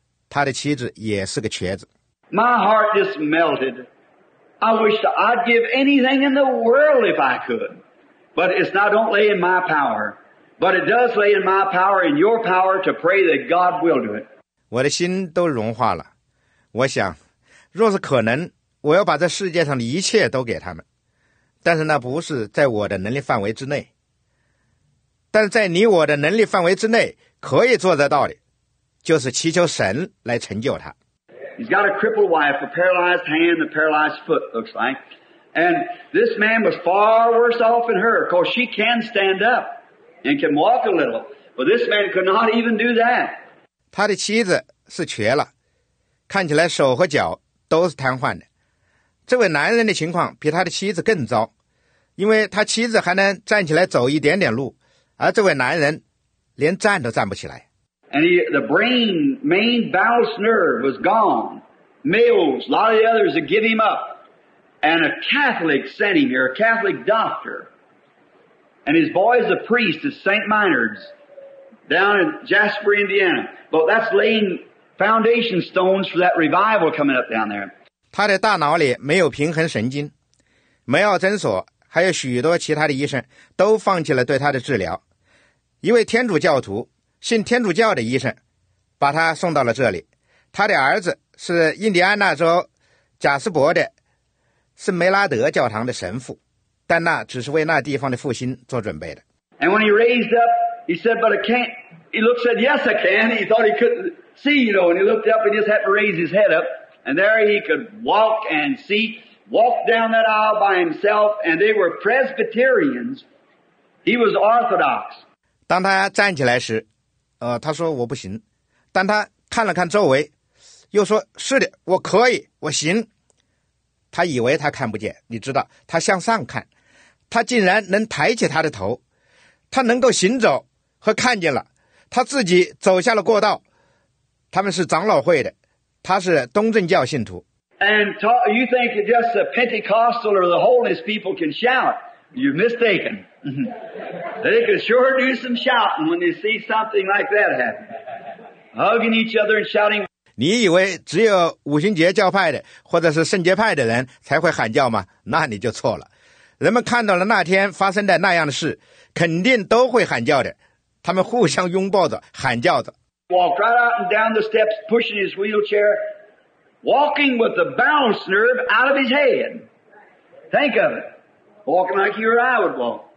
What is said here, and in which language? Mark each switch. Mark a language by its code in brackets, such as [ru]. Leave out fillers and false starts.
[zh] 他的妻子也是个瘸子。 [en] My heart just melted. I wish I'd give anything in the world if I could. But it's not only in my power, but it does lay in my power, in your power to pray that God will do it. [zh] 我的心都融化了。我想，若是可能，我要把这世界上的一切都给他们。但是那不是在我的能力范围之内。但是在你我的能力范围之内可以做得到的，就是祈求神来成就他。 [en] He's got a crippled wife, a paralyzed hand, a paralyzed foot, looks like. And this man was far worse off than her, because she can stand up and can walk a little. But this man could not even do that. [zh] 他的妻子是瘸了，看起来手和脚都是瘫痪的。这位男人的情况比他的妻子更糟，因为他妻子还能站起来走一点点路，而这位男人连站都站不起来。 [en] And the brain, main vagus nerve was gone. Mills, a lot of the others had given him up. And a Catholic sent him here, a Catholic doctor. And his boy is a priest at St. Minard's down in Jasper, Indiana. But that's laying foundation stones for that revival coming up down there. [zh] 他的大脑里没有平衡神经。梅奥诊所还有许多其他的医生都放弃了对他的治疗。一位天主教徒，信天主教的医生把他送到了这里。他的儿子是印第安纳州贾斯伯的圣梅拉德教堂的神父，但那只是为那地方的复兴做准备的。 [en] And when he raised up, he said, but I can't. He looked, said, yes, I can. He thought he couldn't see, you know, and he looked up and just had to raise his head up. And there he could walk and see, walk down that aisle by himself, and they were Presbyterians. He was Orthodox. [zh] 当他站起来时，他说我不行，但他看了看周围，又说是的，我可以，我行。他以为他看不见，你知道，他向上看，他竟然能抬起他的头，他能够行走和看见了，他自己走下了过道。他们是长老会的，他是东正教信徒。 [en] And talk, you think just the Pentecostal or the Holiness people can shout? You're mistaken. They could sure do some shouting when they see something like that happen, hugging each other and shouting. [zh] 你以为只有五旬节教派的或者是圣洁派的人才会喊叫吗？那你就错了。人们看到了那天发生的那样的事，肯定都会喊叫的。他们互相拥抱着，喊叫着。 [en] Walked right out and down the steps, pushing his wheelchair, walking with the balance nerve out of his head. Think of it, walking like you or I would walk.